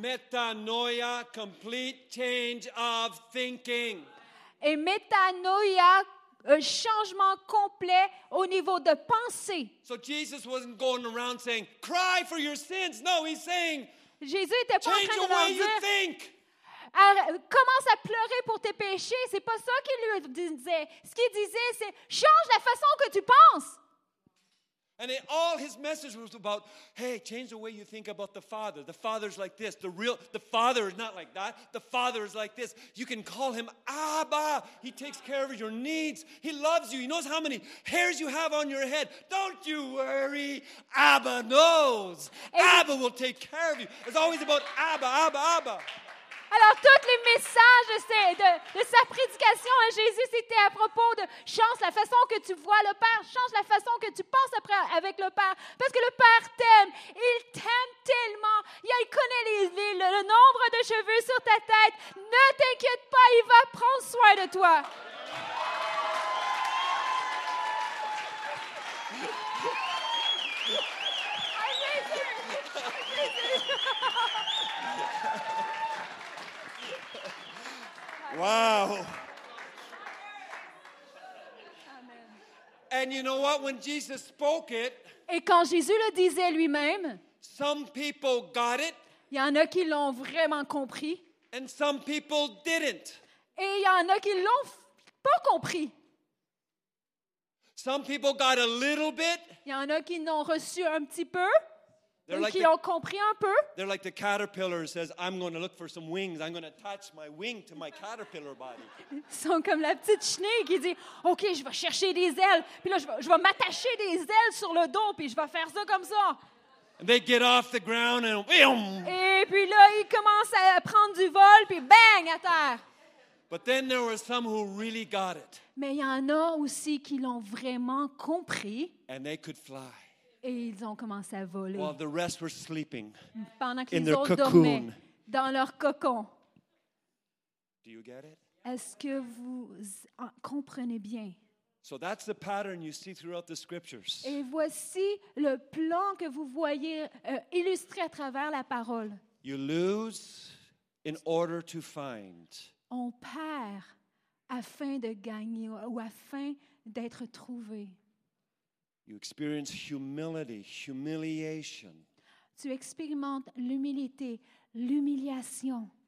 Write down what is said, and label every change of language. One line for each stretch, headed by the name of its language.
English: Metanoia, complete change of thinking.
French: Et metanoia, un changement complet au niveau de pensée.
English: So Jesus wasn't going around saying, "Cry for your sins." No, he's saying,
French: Jésus était pas en train de
English: change the way you think.
French: Commence à pleurer pour tes péchés. C'est pas ça qu'il lui disait. Ce qu'il disait, c'est change la façon que tu penses.
English: And it, all his message was about, hey, change the way you think about the Father. The Father's like this. The Father is not like that. The Father is like this. You can call him Abba. He takes care of your needs. He loves you. He knows how many hairs you have on your head. Don't you worry. Abba knows. Abba will take care of you. It's always about Abba, Abba, Abba.
French: Alors, tous les messages de sa prédication à Jésus, c'était à propos de change la façon que tu vois le Père, change la façon que tu penses avec le Père. Parce que le Père t'aime, il t'aime tellement, il connaît le nombre de cheveux sur ta tête. Ne t'inquiète pas, il va prendre soin de toi. Wow.
English: And you know what? When Jesus spoke it,
French: et quand Jésus le disait lui-même,
English: some people got it.
French: Il y en a qui l'ont vraiment compris.
English: And some people didn't.
French: Et il y en a qui l'ont pas compris.
English: Some people got a little bit.
French: Il y en a qui n'ont reçu un petit peu. Ou qui ont compris un peu.
English: They're like the caterpillar says, I'm going to look for some wings. I'm going to attach my wing to my caterpillar body.
French: Ils sont comme la petite chenille qui dit, OK, je vais chercher des ailes. Puis là, je vais m'attacher des ailes sur le dos. Puis je vais faire ça comme ça.
English: And they get off the ground and boom.
French: Et puis là, ils commencent à prendre du vol. Puis bang, à terre.
English: But then there were some who really got it.
French: Mais il y en a aussi qui l'ont vraiment compris.
English: And they could fly.
French: Et ils ont commencé à voler.
English: While the rest were sleeping,
French: pendant que les autres dormaient dans leur cocon.
English: Do you get it?
French: Est-ce que vous comprenez bien?
English: So that's the pattern you see throughout the scriptures.
French: Et voici le plan que vous voyez illustré à travers la parole.
English: You lose in order to find.
French: On perd afin de gagner ou afin d'être trouvé.
English: You experience humility, humiliation.
French: Tu expérimentes l'humilité, l'humiliation.